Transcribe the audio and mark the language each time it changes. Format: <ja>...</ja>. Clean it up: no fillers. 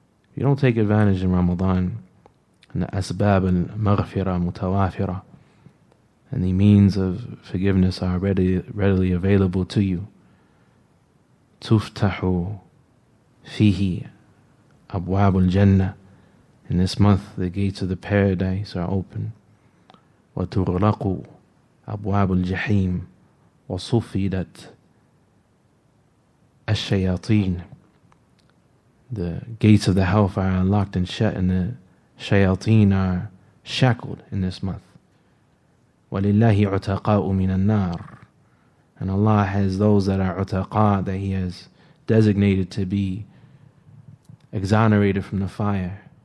<en>If you don't take advantage in Ramadan,</en> <ar>أسباب المغفرة متوافرة,</ar> <en>and the means of forgiveness are readily available to you.</en> <ar>تفتح فيه أبواب الجنة.</ar> <en>In this month, the gates of the paradise are open.</en> <ar>وتغلق أبواب الجحيم وصفدت الشياطين.</ar> <en>The gates of the hellfire are locked and shut, and the shayateen are shackled in this month.</en> <ar>وَلِلَّهِ عُتَقَاءُ مِنَ النَّارِ.</ar> <en>And Allah has those that are utaqa, that He has designated to be exonerated from the fire.</en>